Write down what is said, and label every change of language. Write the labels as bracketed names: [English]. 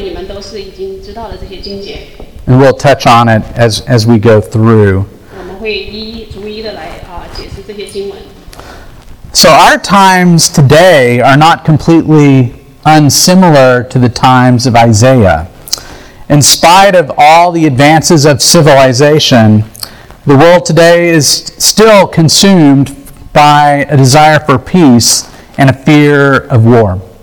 [Chinese] 因为你们刚才已经读了这些经节，我就认为你们都是已经知道了这些经节。 [English] And we'll touch on it as we go through. [Chinese] 我们会一一逐一的来解释这些经文。 [English] So our times today are not completely unsimilar to the times of Isaiah. In spite of all the advances of civilization, the world today is still consumed by a desire for peace and a fear of war.